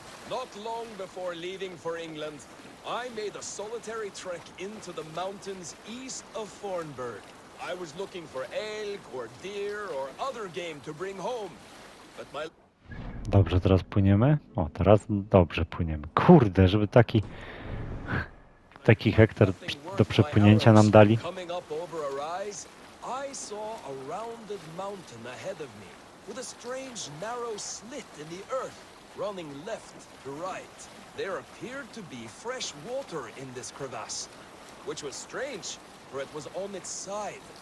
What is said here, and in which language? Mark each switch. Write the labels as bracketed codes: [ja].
[en] Not long before leaving for England, I made a solitary trek into the mountains east of Thornburg. I was looking for elk or deer or other game to bring home, but my... [pl] Dobrze, teraz płyniemy. O, teraz dobrze płyniemy. Kurde, żeby taki... Taki hektar do przepłynięcia nam dali. [en] Coming up over a rise, I saw a rounded mountain ahead of me, with a strange narrow slit in the earth. Running left to right, there appeared to be fresh water in this crevasse, which was strange, for it was on its side.